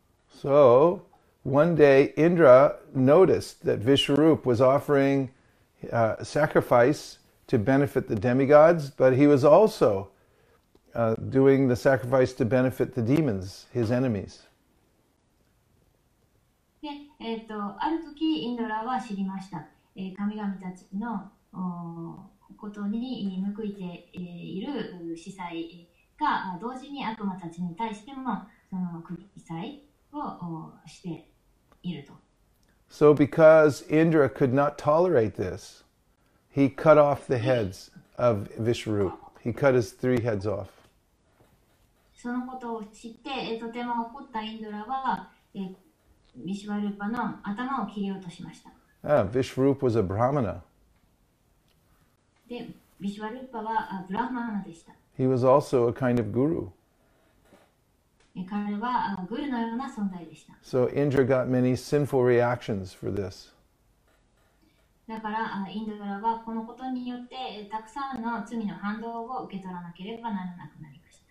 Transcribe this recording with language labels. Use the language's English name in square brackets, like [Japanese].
[English] So... One day, Indra noticed that Vishwarup was offering sacrifice to benefit the demigods, but he was also doing the sacrifice to benefit the demons, his enemies. [Japanese] ある時、インドラは知りました。神々たちのことに報いている司祭が同時に悪魔たちに対してもその祭祭をしていると。 [English] So because Indra could not tolerate this, He cut off the heads of Vishwarup. He cut his three heads off. [Japanese] そのことを知って、とても怒ったインドラは、ビシュワルーパの頭を切り落としました。 [English] Ah, Vishwarup was a Brahmana. [Japanese] で、ビシュワルーパはブラハマナでした。 [English] He was also a kind of guru. [Japanese] 彼はグルのような存在でした。 [English] So Indra got many sinful reactions for this. [Japanese] だから、インドラはこのことによって、たくさんの罪の反動を受け取らなければならなくなりました。